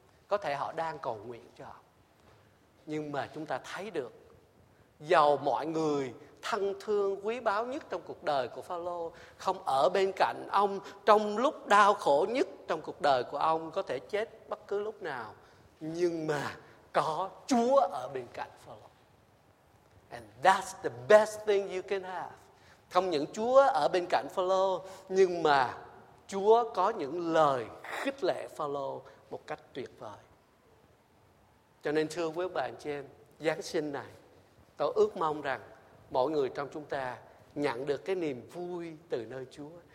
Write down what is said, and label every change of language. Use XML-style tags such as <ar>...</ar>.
<vi>Có thể họ đang cầu nguyện cho ổng. Nhưng mà chúng ta thấy được, dầu mọi người thân thương quý báu nhất trong cuộc đời của Phaolô không ở bên cạnh ông trong lúc đau khổ nhất trong cuộc đời của ông, có thể chết bất cứ lúc nào, nhưng mà có Chúa ở bên cạnh Phaolô.</vi> <en>And that's the best thing you can have.</en> <vi>Không những Chúa ở bên cạnh Phaolô, nhưng mà Chúa có những lời khích lệ Phaolô một cách tuyệt vời. Cho nên thưa quý bạn chị em, Giáng sinh này tôi ước mong rằng mọi người trong chúng ta nhận được cái niềm vui từ nơi Chúa.</vi>